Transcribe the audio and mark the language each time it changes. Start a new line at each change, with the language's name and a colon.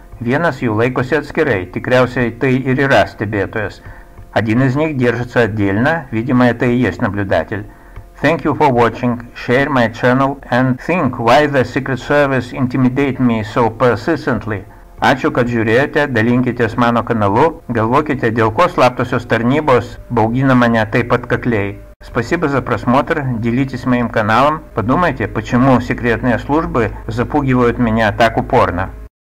Lithuanian: Vienas jų laikosi atskirai, tikriausiai tai ir yra stebėtojas.
Russian: Один из них держится отдельно, видимо, это и есть наблюдатель.
English: Thank you for watching, share my channel and think why the Secret Service intimidate me so persistently.
Lithuanian: Ačiū, kad žiūrėjote, dalinkitės mano kanalu, galvokite, dėl ko slaptosios tarnybos baugina mane taip atkakliai.
Russian: Спасибо за просмотр, делитесь моим каналом, подумайте, почему секретные службы запугивают меня так упорно.